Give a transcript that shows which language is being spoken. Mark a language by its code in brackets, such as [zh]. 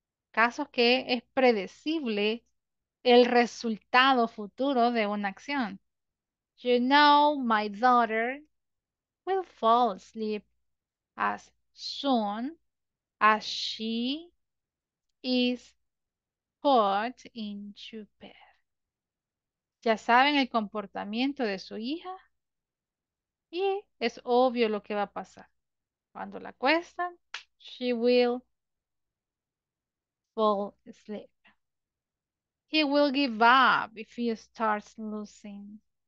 [es] Casos que es predecible el resultado futuro de una acción. [en] You know, my daughter will fall asleep as soon as she is put into bed. [es] Ya saben el comportamiento de su hija y es obvio lo que va a pasar. Cuando la acuestan, [en] she will fall asleep. He will give up if he starts losing.